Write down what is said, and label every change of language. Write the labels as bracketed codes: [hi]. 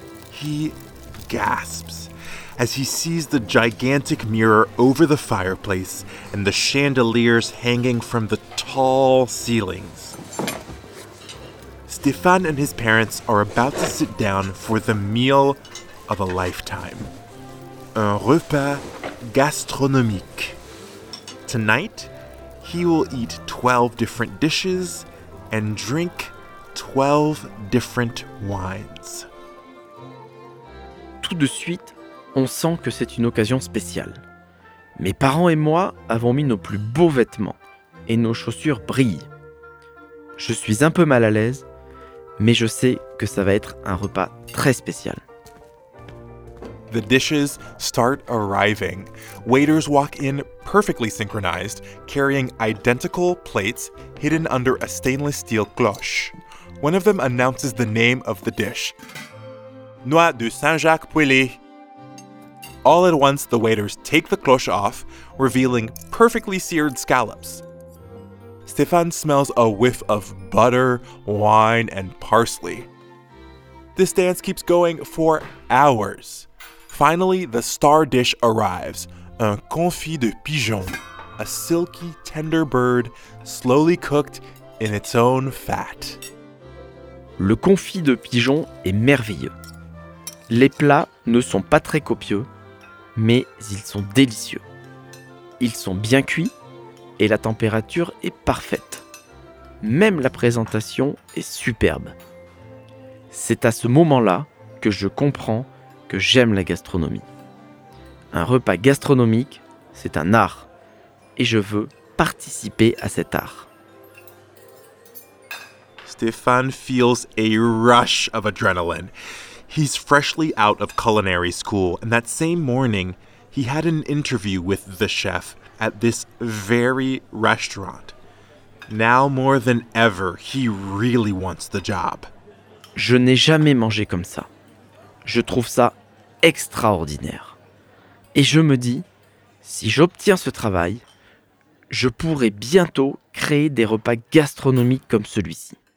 [en] He gasps as he sees the gigantic mirror over the fireplace and the chandeliers hanging from the tall ceilings. Stéphane and his parents are about to sit down for the meal of a lifetime. [fr] Un repas gastronomique. [en] Tonight, he will eat 12 different dishes and drink 12 different wines. [fr] Tout de suite, on sent que c'est une occasion spéciale. Mes parents et moi avons mis nos plus beaux vêtements et nos chaussures brillent. Je suis un peu mal à l'aise, mais je sais que ça va être un repas très spécial. [en] The dishes start arriving. Waiters walk in perfectly synchronized, carrying identical plates hidden under a stainless steel cloche. One of them announces the name of the dish. [fr] Noix de Saint-Jacques poêlée. [en] All at once, the waiters take the cloche off, revealing perfectly seared scallops. Stéphane smells a whiff of butter, wine, and parsley. This dance keeps going for hours. Finally, the star dish arrives, [fr] un confit de pigeon, [en] a silky, tender bird, slowly cooked in its own fat. [fr] Le confit de pigeon est merveilleux. Les plats ne sont pas très copieux, mais ils sont délicieux. Ils sont bien cuits et la température est parfaite. Même la présentation est superbe. C'est à ce moment-là que je comprends que j'aime la gastronomie. Un repas gastronomique, c'est un art, et je veux participer à cet art. [en] Stéphane feels a rush of adrenaline. He's freshly out of culinary school, and that same morning, he had an interview with the chef at this very restaurant. Now more than ever, he really wants the job. [fr] Je n'ai jamais mangé comme ça. Je trouve ça extraordinaire. Et je me dis, si j'obtiens ce travail, je pourrai bientôt créer des repas gastronomiques comme celui-ci.